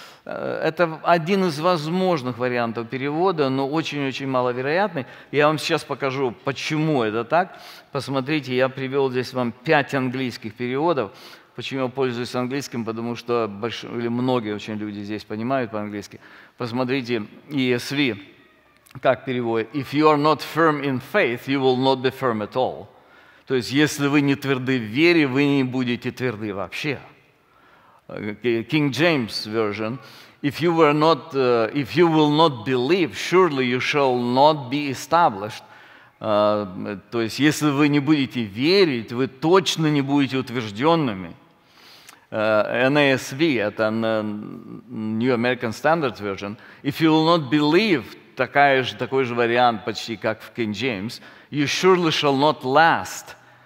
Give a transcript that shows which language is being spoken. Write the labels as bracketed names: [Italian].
[Russian] Это один из возможных вариантов перевода, но очень-очень маловероятный. Я вам сейчас покажу, почему это так. Посмотрите, я привел здесь вам 5 английских переводов. Почему я пользуюсь английским? Потому что многие очень люди здесь понимают по-английски. Посмотрите, ESV, как переводит. [English] If you are not firm in faith, you will not be firm at all. [Russian] То есть, если вы не тверды в вере, вы не будете тверды вообще. King James Version. [English] If you will not believe, surely you shall not be established. [Russian] То есть, если вы не будете верить, вы точно не будете утвержденными. NASV, это New American Standard Version. [English] If you will not believe, [Russian] такой же вариант почти, как в King James, [English] you surely shall not last.